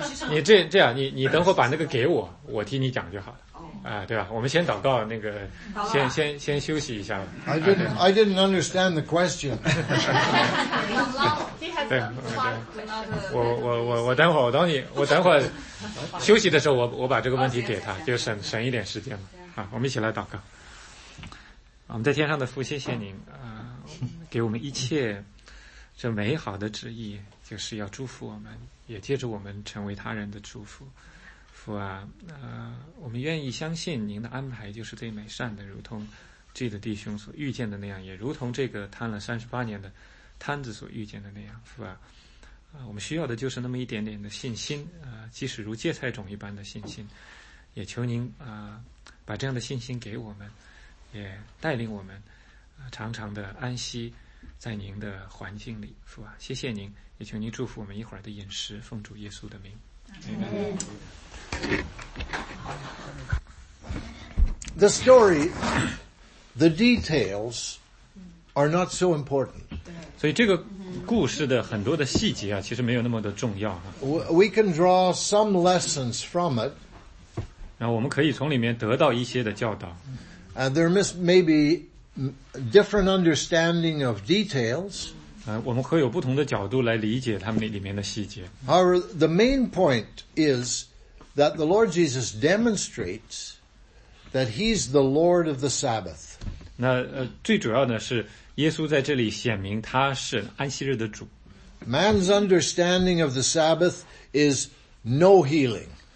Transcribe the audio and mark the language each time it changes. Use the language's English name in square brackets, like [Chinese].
[Chinese] 你这样，你等会把那个给我，我替你讲就好了。对吧，我们先祷告，那个先休息一下。 [English] I didn't understand the question. [Chinese] 对 okay, 我等会休息的时候我把这个问题给他，就省一点时间嘛。好，我们一起来祷告。我们在天上的父，谢谢您给我们一切这美好的旨意，就是要祝福我们，也借着我们成为他人的祝福。父啊，我们愿意相信您的安排就是最美善的，如同这个弟兄所遇见的那样，也如同这个摊了38年的摊子所遇见的那样。父啊，我们需要的就是那么一点点的信心，即使如芥菜种一般的信心，也求您把这样的信心给我们，也带领我们常常的安息在您的环境里。父啊，谢谢您，也求您祝福我们一会儿的饮食，奉主耶稣的名。 [English] The story, the details are not so important. [Chinese] 所以这个故事的很多的细节啊，其实没有那么的重要啊。 [English] We can draw some lessons from it. [Chinese] 然后我们可以从里面得到一些的教导。 [English] And there may be different understanding of details. [Chinese] 我们会有不同的角度来理解他们里面的细节。 [English] However, the main point is that the Lord Jesus demonstrates that he's the Lord of the Sabbath. [Chinese] 那最主要呢是耶稣在这里显明他是安息日的主。 [English] Man's understanding of the Sabbath is no healing.